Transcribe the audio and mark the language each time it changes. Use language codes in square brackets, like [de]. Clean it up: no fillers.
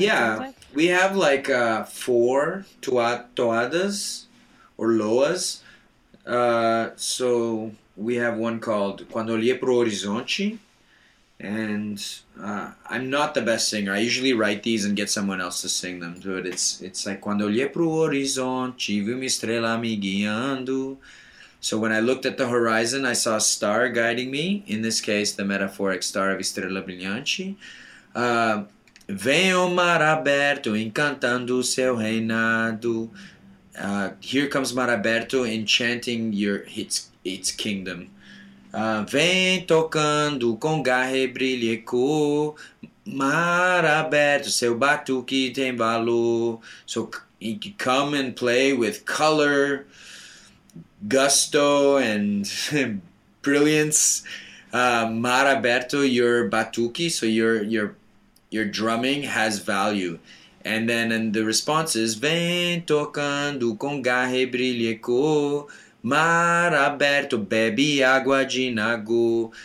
[en] Yeah, like? We have like four tuadas or loas. So we have one called Quando Olhei Pro Horizonte. And I'm not the best singer. I usually write these and get someone else to sing them. But it's like, [pt] Quando olhei pro horizonte, vi uma estrela me guiando. [en] So when I looked at the horizon, I saw a star guiding me. In this case, the metaphoric star of Estrela Brilhante. [pt] Vem o mar aberto, encantando o seu reinado. [en] Here comes mar aberto, enchanting its kingdom. [pt] Vem tocando com garra e brilheco, mar aberto, seu batuque tem valor. [en] So come and play with color, gusto, and brilliance. Mar aberto, your batuque, so your drumming has value. And then and the response is, [pt] vem tocando com garra e brilheco, mar aberto, bebe água de Nago.